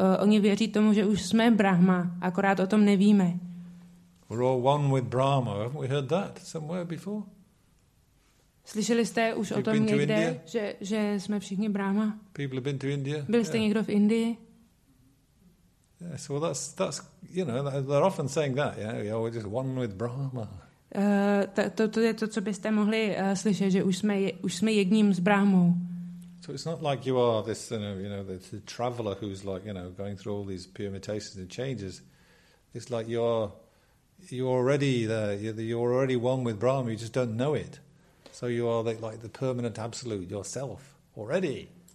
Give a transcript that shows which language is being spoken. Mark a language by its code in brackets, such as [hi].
[cs] Oni věří tomu, že už jsme Brahma, akorát o tom nevíme. [en] We're all one with Brahma. Haven't we heard that somewhere before? [cs] Slyšeli jste už o tom někde, že jsme všichni Brahma? [en] People have been to India. [cs] Byli jste někdo v Indii? [en] Yes, well, that's you know, they're often saying that, yeah. Yeah, we're just one with Brahma. [cs] To je to, co byste mohli slyšet, že už jsme jedním s Brahmou. [en] So it's not like you are this, you know, the traveler who's like, you know, going through all these permutations and changes. It's like you're already there, you're already one with Brahma, you just don't know it. So you are like the permanent absolute, yourself, already.